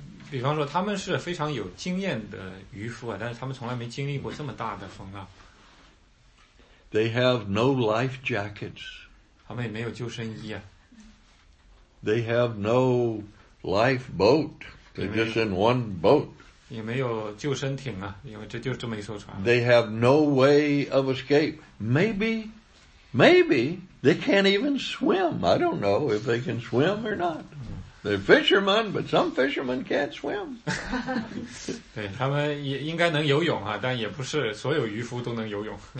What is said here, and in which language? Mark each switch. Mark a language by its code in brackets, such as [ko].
[zh] 比方说他们是非常有经验的渔夫啊，但是他们从来没经历过这么大的风啊。 [en] They have no life jackets. [zh] 他们也没有救生衣啊。 [en] They have no life boat. They're just in one boat. [zh] 也没有救生艇啊，因为这就是这么一艘船。 [en] They have no way of escape. Maybe they can't even swim. I don't know if they can swim or not. They're fishermen, but some fishermen can't swim. [zh] 对，他们也应该能游泳啊，但也不是所有渔夫都能游泳。